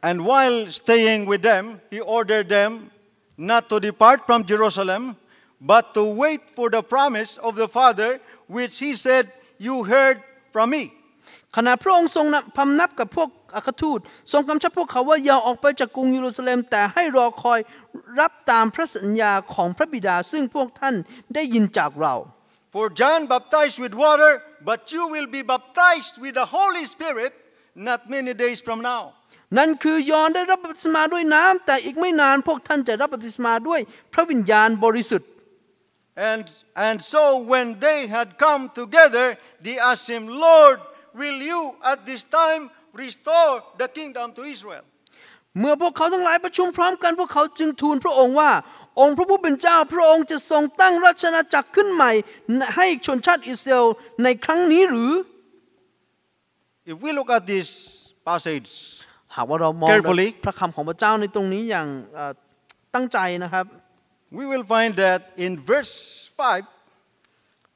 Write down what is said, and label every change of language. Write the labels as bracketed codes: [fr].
[en] while staying with them he ordered them not to depart from Jerusalem but to wait for the promise of the Father which he said you heard from me [th] ขณะพระองค์ทรงพำนักกับพวกอัครทูตทรงกำชับพวกเขาว่าอย่าออกไปจากกรุงเยรูซาเล็มแต่ให้รอคอยรับตามพระสัญญาของพระบิดาซึ่งพวกท่านได้ยินจากเรา [en] For John baptized with water but you will be baptized with the Holy Spirit not many days from now [th] นั่นคือยอห์นได้รับบัพติศมาด้วยน้ำแต่อีกไม่นานพวกท่านจะรับบัพติศมาด้วยพระวิญญาณบริสุทธิ์ [en] And so when they had come together they asked him Lord will you at this timeRestore the kingdom to Israel. [th] เมื่อพวกเขาทั้งหลายประชุมพร้อมกันพวกเขาจึงทูลพระองค์ว่าองค์พระผู้เป็นเจ้าพระองค์จะทรงตั้งราชอาณาจักรขึ้นใหม่ให้ชนชาติอิสราเอลในครั้งนี้หรือ [en] If we look at this passage [th] หากว่าเรามองพระคำของพระเจ้าในตรงนี้อย่างตั้งใจนะครับ [en] We will find that in verse 5